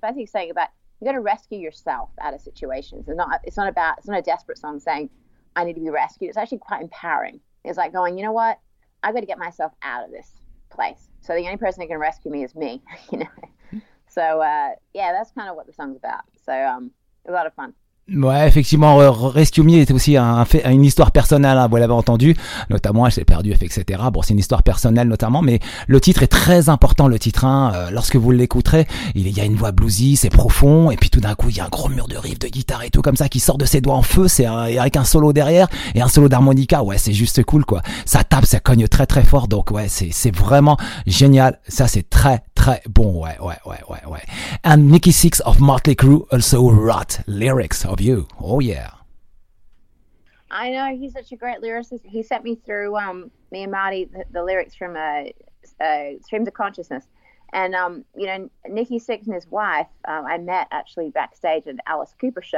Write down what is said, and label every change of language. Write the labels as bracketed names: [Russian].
[English] It's basically saying about you got to rescue yourself out of situations. It's not a desperate song saying I need to be rescued. It's actually quite empowering. It's like going, you know what, I got to get myself out of this place, so the only person that can rescue me is me, you know. So yeah, that's kind of what the song's about. So a lot of fun. [French] Ouais, effectivement, Rescue Me est aussi une histoire personnelle, hein, vous l'avez entendu, notamment, elle s'est perdue, etc. Bon, c'est une histoire personnelle notamment, mais le titre est très important, le titre, hein, lorsque vous l'écouterez, il y a une voix bluesy, c'est profond, et puis tout d'un coup, il y a un gros mur de riff, de guitare et tout comme ça, qui sort de ses doigts en feu, avec un solo derrière, et un solo d'harmonica, ouais, c'est juste cool, quoi. Ça tape, ça cogne très très fort, donc ouais, c'est vraiment génial, ça c'est très très bon, ouais. [English] And Nikki Sixx of Motley Crue also wrote lyrics of you. Oh yeah, I know, he's such a great lyricist. He sent me through me and Marty the lyrics from Streams of Consciousness, and you know, Nikki Sixx and his wife, I met actually backstage at Alice Cooper show.